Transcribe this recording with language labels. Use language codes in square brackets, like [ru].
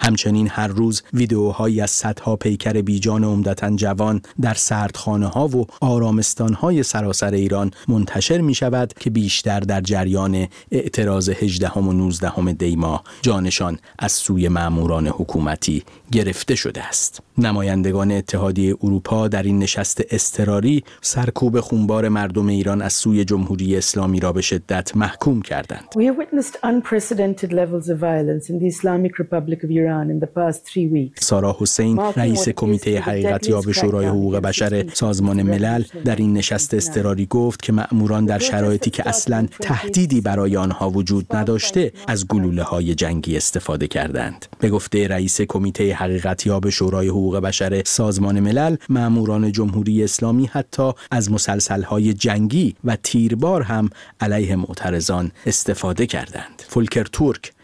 [fa] همچنین هر روز ویدئوهایی از صدها پیکر بیجان عمدتاً جوان در سردخانه‌ها و آرامستان‌های سراسر ایران منتشر می‌شود که بیشتر در جریان اعتراض 18 و 19 دی ماه جانشان از سوی ماموران حکومتی گرفته شده است. نمایندگان اتحادیه اروپا در این نشست اضطراری سرکوب خونبار مردم ایران از سوی جمهوری اسلامی را به شدت محکوم کردند. [en] We have witnessed unprecedented levels of violence in the Islamic Republic of Iran in the past 3 weeks. [fa] سارا حسین رئیس کمیته حقیقت‌یاب شورای حقوق بشر سازمان ملل در این نشست اضطراری گفت که مأموران در شرایطی که اصلاً تهدیدی برای آنها وجود نداشته از گلوله‌های جنگی استفاده کردند. به گفته رئیس کمیته حقیقت‌یاب شورای حقوق بشر سازمان ملل، مأموران جمهوری اسلامی حتی از مسلسل‌های جنگی و تیربار هم علیه معترضان استفاده کردند. فولکر تورک،